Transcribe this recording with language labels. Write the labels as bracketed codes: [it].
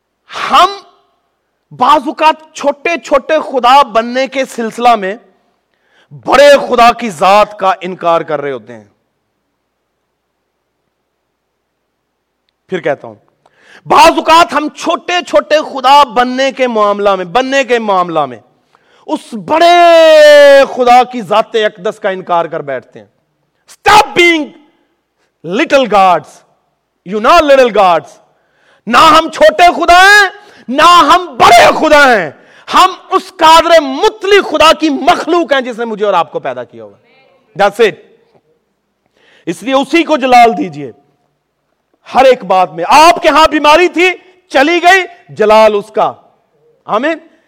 [ur] ہم بعض اوقات چھوٹے چھوٹے خدا بننے کے سلسلہ میں بڑے خدا کی ذات کا انکار کر رہے ہوتے ہیں. پھر کہتا ہوں, بعض اوقات ہم چھوٹے چھوٹے خدا بننے کے معاملہ میں, اس بڑے خدا کی ذات اقدس کا انکار کر بیٹھتے ہیں. [en] Stop being little gods, you not little gods. [ur] نہ ہم چھوٹے خدا ہیں نہ ہم بڑے خدا ہیں, ہم اس قادر مطلق خدا کی مخلوق ہیں جس نے مجھے اور آپ کو پیدا کیا ہوا. [en] That's it. [ur] اس لیے اسی کو جلال دیجئے ہر ایک بات میں. آپ کے ہاں بیماری تھی, چلی گئی, جلال اس کا. آمین.